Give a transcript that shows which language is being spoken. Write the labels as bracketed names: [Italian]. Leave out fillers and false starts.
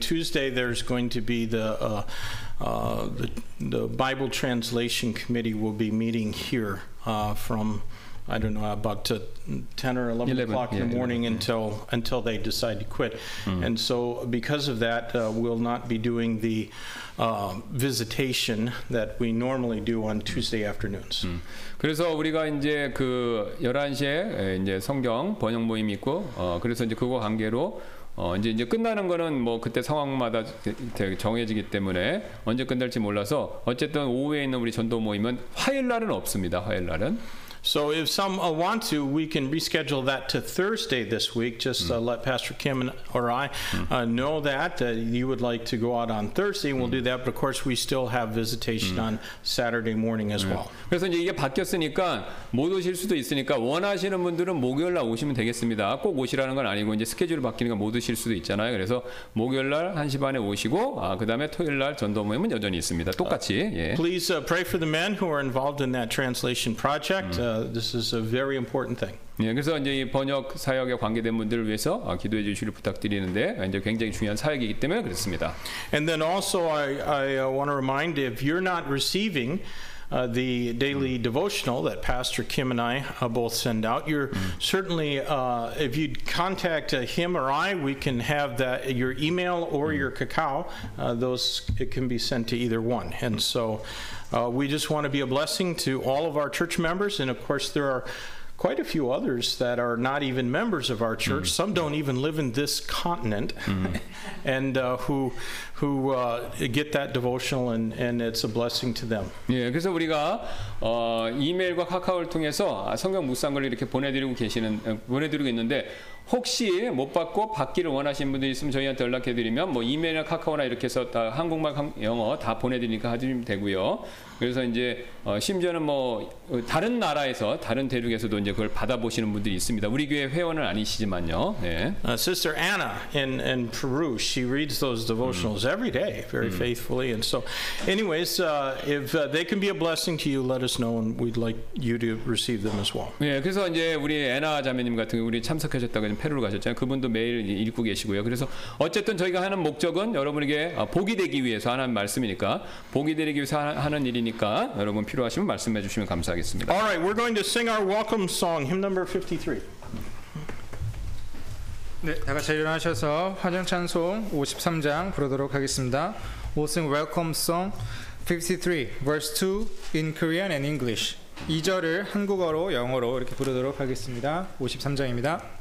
[English] Tuesday there's going to be the Bible Translation Committee will be meeting here from I don't know about 10 or 11 o'clock in the morning until they decide to quit. And so because of that we'll not be doing the visitation that we normally do on Tuesday afternoons. [Korean] 그래서 우리가 이제 그 11시에 이제 성경 번역 모임 있고 그래서 이제 그거 관계로 이제 끝나는 거는 뭐 그때 상황마다 정해지기 때문에 언제 끝날지 몰라서 어쨌든 오후에 있는 우리 전도 모임은 화요일 날은 없습니다. 화요일 날은 [English] So if some want to, we can reschedule that to Thursday this week. Just let Pastor Kim or I know that you would like to go out on Thursday, and we'll do that. But of course, we still have visitation on Saturday morning as well. [Korean] 그래서 이제 이게 바뀌었으니까 못 오실 수도 있으니까 원하시는 분들은 목요일 날 오시면 되겠습니다. 꼭 오시라는 건 아니고 이제 스케줄이 바뀌니까 못 오실 수도 있잖아요. 그래서 목요일 날 1시 반에 오시고 그 다음에 토요일 날 전도 모임은 여전히 있습니다. 똑같이. [English] Please pray for the men who are involved in that translation project. This is a very important thing. [Korean] 네, 그래서 이제 이 번역 사역에 관계된 분들을 위해서 기도해 주시기를 부탁드리는데 이제 굉장히 중요한 사역이기 때문에 그렇습니다. [English] And then also I want to remind if you're not receiving the daily devotional that Pastor Kim and I both send out, you're certainly if you'd contact him or I, we can have that your email or your Kakao. Those it can be sent to either one. And so we just want to be a blessing to all of our church members, and of course there are quite a few others that are not even members of our church. Some don't even live in this continent, and who get that devotional, and it's a blessing to them. [Korean] 예, 그래서 우리가 이메일과 카카오를 통해서 성경 묵상을 이렇게 보내드리고 있는데. 혹시 못 받고 받기를 원하시는 분들이 있으면 저희한테 연락해 드리면 뭐 이메일이나 카카오나 이렇게 해서 다 한국말 영어 다 보내드리니까 하시면 되고요. 그래서 이제 심지어는 뭐 다른 나라에서 다른 대륙에서도 이제 그걸 받아보시는 분들이 있습니다. 우리 교회 회원은 아니시지만요. 예. [English] Sister Anna in Peru, she reads those devotionals every day, very faithfully. And so, anyways, if they can be a blessing to you, let us know, and we'd like you to receive them as well. [Korean] 예, 그래서 이제 우리 애나 자매님 같은 우리 참석하셨다. 페루로 가셨잖아요. 그분도 매일 읽고 계시고요. 그래서 어쨌든 저희가 하는 목적은 여러분에게 복이 되기 위해서 하는 말씀이니까 복이 되기 위해서 하는 일이니까 여러분 필요하시면 말씀해 주시면 감사하겠습니다. [English] All right, we're going to sing our welcome song, hymn number 53. [Korean] 네, 다 같이 일어나셔서 환영 찬송 53장 부르도록 하겠습니다. [English] We'll sing welcome song 53 verse 2 in Korean and English. [Korean] 2절을 한국어로 영어로 이렇게 부르도록 하겠습니다. 53장입니다.